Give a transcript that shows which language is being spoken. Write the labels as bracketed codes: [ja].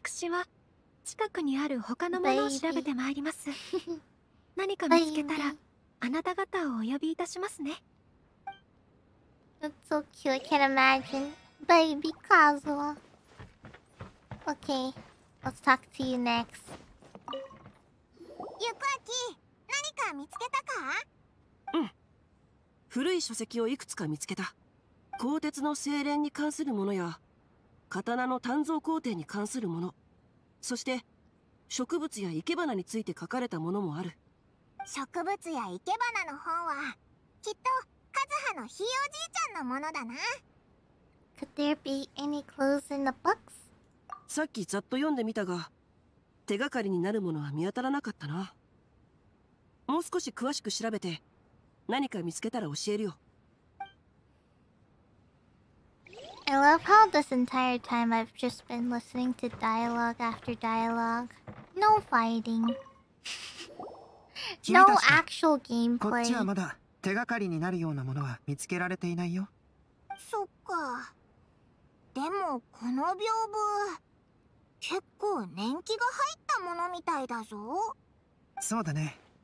[ja] 私は近くにある他のものを調べてまいります。何か見つけたらあなた方をお呼びいたしますね。 [en] That's so cute, I can imagine baby Kazuha. Okay, let's talk to you next. [ja] Yukaki, 何か見つけたか？うん、古い書籍をいくつか見つけた。鋼鉄の精錬に関するものや刀の鍛造工程に関するもの、そして植物や生け花について書かれたものもある。植物や生け花の本はきっとカズハのひいおじいちゃんのものだな。 [en] Could there be any clues in the books? [ja] さっきざっと読んでみたが手がかりになるものは見当たらなかったな。もう少し詳しく調べて何か見つけたら教えるよ。 [en] I love how this entire time I've just been listening to dialogue after dialogue. No fighting. No actual gameplay. [ja] こっちはまだ手がかりになるようなものは見つけられていないよ。そっか。でもこの屏風結構年季が入ったものみたいだぞ。そうだね。